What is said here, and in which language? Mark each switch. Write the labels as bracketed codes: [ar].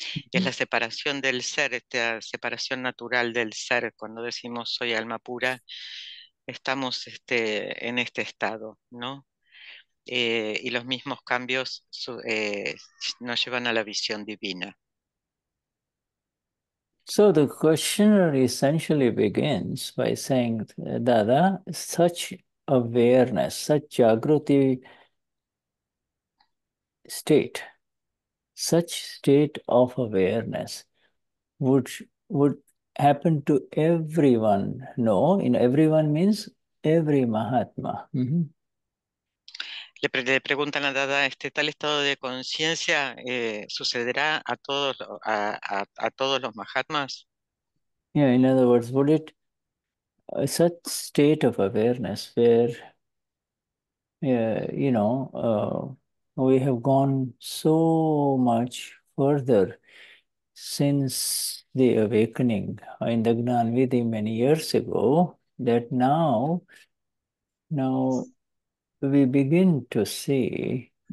[es] Es la separación del ser, esta separación natural del ser. Cuando decimos soy alma pura, estamos en este estado, ¿no? Y los mismos cambios nos llevan a la visión divina. [en] So the questioner essentially begins by saying, Dada, such awareness, such jagruti state, such state of awareness, which would happen to everyone. No, in everyone means every Mahatma. [es] Le preguntan a Dada, ¿este tal estado de conciencia sucederá a todos todos los Mahatmas? [en] Yeah, in other words, would it a such state of awareness where we have gone so much further since the awakening in the Gnanvidhi many years ago that now we begin to see